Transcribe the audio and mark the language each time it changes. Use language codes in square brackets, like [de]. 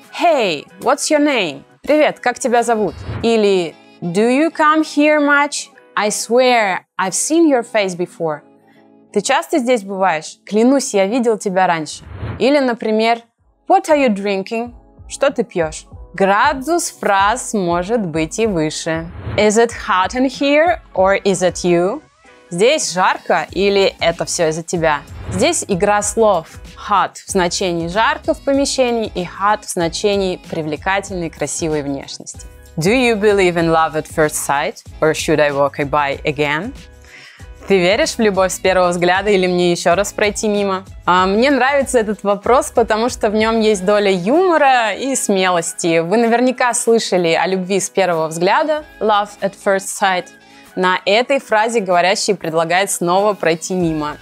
[en] Hey, what's your name? [ru] Привет, как тебя зовут? Или [en] Do you come here much? I swear, I've seen your face before. [ru] Ты часто здесь бываешь? Клянусь, я видел тебя раньше. Или, например, [en] What are you drinking? [ru] Что ты пьешь? Градус фраз может быть и выше. [en] Is it hot in here or is it you? [ru] Здесь жарко или это все из-за тебя? Здесь игра слов hot в значении жарко в помещении и hot в значении привлекательной красивой внешности. [en] Do you believe in love at first sight or should I walk by again? [ru] Ты веришь в любовь с первого взгляда или мне еще раз пройти мимо? А мне нравится этот вопрос, потому что в нем есть доля юмора и смелости. Вы наверняка слышали о любви с первого взгляда, [en] love at first sight. [ru] На этой фразе говорящий предлагает снова пройти мимо.